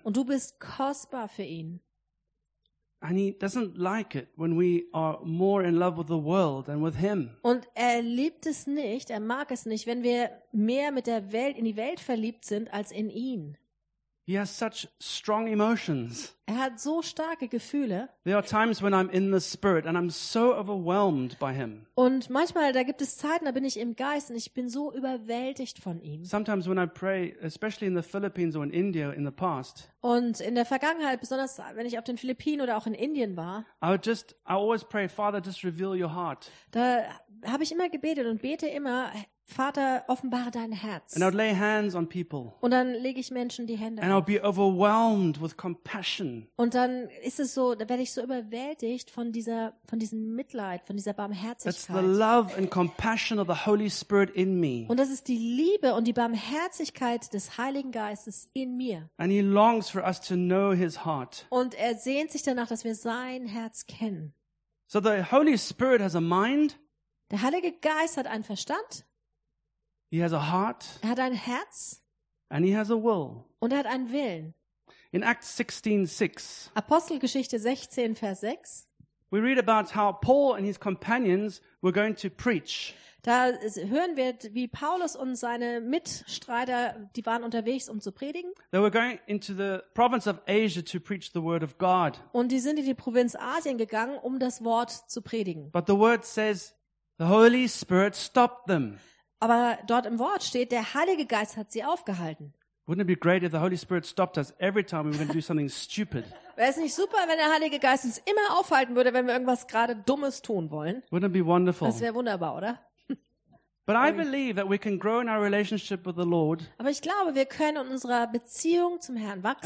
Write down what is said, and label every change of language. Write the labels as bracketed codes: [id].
[de] Und du bist kostbar für ihn. [en] And he doesn't like it when we are more in love with the world than with him. [de] Und er liebt es nicht, er mag es nicht, wenn wir mehr mit der Welt in die Welt verliebt sind als in ihn. [en] He has such strong emotions. [de] Er hat so starke Gefühle. [en] There are times when I'm in the spirit and I'm so overwhelmed by him. [de] Und manchmal da gibt es Zeiten, da bin ich im Geist und ich bin so überwältigt von ihm. [en] Sometimes when I pray, especially in the Philippines or in India in the past. [de] Und in der Vergangenheit, besonders wenn ich auf den Philippinen oder auch in Indien war. [en] I always pray, Father, just reveal your heart. [de] Da habe ich immer gebetet und bete immer, Vater, offenbare dein Herz. [en] And I'd lay hands on people. [de] Und dann lege ich Menschen die Hände [en] auf. And I'll be overwhelmed with compassion. [de] Und dann ist es so, da werde ich so überwältigt von diesem Mitleid, von dieser Barmherzigkeit. [en] That's the love and compassion of the Holy Spirit in me. [de] Und das ist die Liebe und die Barmherzigkeit des Heiligen Geistes in mir. [en] And he longs for us to know his heart. [de] Und er sehnt sich danach, dass wir sein Herz kennen. [en] So the Holy Spirit has a mind. [de] Der Heilige Geist hat einen Verstand. [en] He has a heart. [de] Er hat ein Herz. [en] And he has a will. [de] Und er hat einen Willen. [en] In Acts 16:6. [de] Apostelgeschichte 16, Vers 6. [en] We read about how Paul and his companions were going to preach. [de] Da hören wir, wie Paulus und seine Mitstreiter, die waren unterwegs, um zu predigen. [en] They were going into the province of Asia to preach the word of God. [de] Und die sind in die Provinz Asien gegangen, um das Wort zu predigen. [en] But the word says the Holy Spirit stopped them. [de] Aber dort im Wort steht, der Heilige Geist hat sie aufgehalten. [en] Wouldn't it be great if the Holy Spirit stopped us every time we were going to do something stupid? [de] Wäre es nicht super, wenn der Heilige Geist uns immer aufhalten würde, wenn wir irgendwas gerade Dummes tun wollen? [en] Wouldn't it be wonderful? [de] Das wäre wunderbar, oder? [en] But I believe that we can grow in our relationship with the Lord. [de] Aber ich glaube, wir können in unserer Beziehung zum Herrn wachsen.